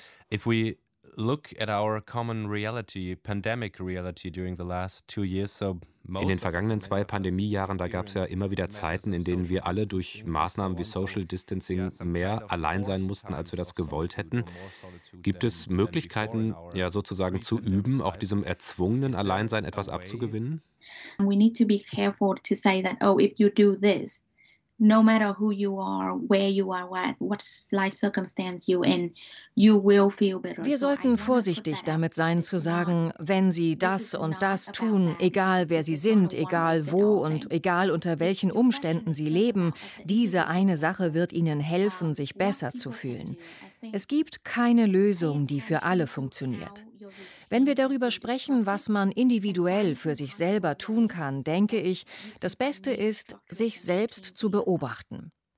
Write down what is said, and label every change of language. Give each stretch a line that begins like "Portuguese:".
English: If we look at our common reality, pandemic reality during the last 2 years, so.
German: In den vergangenen 2 Pandemiejahren, da gab es ja immer wieder Zeiten, in denen wir alle durch Maßnahmen wie Social Distancing mehr allein sein mussten, als wir das gewollt hätten. Gibt es Möglichkeiten, ja sozusagen zu üben, auch diesem erzwungenen Alleinsein etwas abzugewinnen?
English: We need to be careful to say that, oh, if you do this, no matter who you are, where you are, what life circumstance you in, you will feel better.
German: Wir sollten vorsichtig damit sein zu sagen, wenn Sie das und das tun, egal wer Sie sind, egal wo und egal unter welchen Umständen Sie leben, diese eine Sache wird Ihnen helfen, sich besser zu fühlen. Es gibt keine Lösung, die für alle funktioniert. Wenn wir darüber sprechen, was man individuell für sich selber tun kann, denke ich, das Beste ist, sich selbst zu beobachten.